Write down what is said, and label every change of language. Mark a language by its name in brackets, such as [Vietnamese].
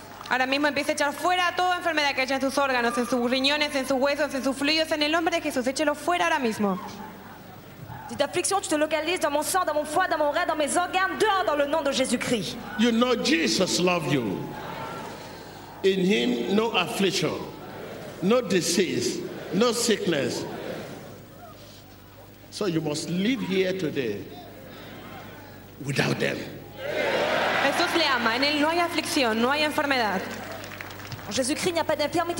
[Spanish] Ahora mismo empieza a echar fuera toda enfermedad que haya en sus órganos, en sus riñones, en sus huesos, en sus fluidos, en el nombre de Jesús. Échelo fuera ahora mismo. [French] Cette affliction, tu te localises dans mon sang, dans mon foie, dans mon rein, dans mes organes, dehors dans le nom de Jésus-Christ. [English] You know Jesus loves you. In Him, no affliction, no disease, no sickness. So you must live here today. Without them. [Spanish] Jesús le ama. En él no hay aflicción, no hay enfermedad. En Jesucristo no hay enfermedad.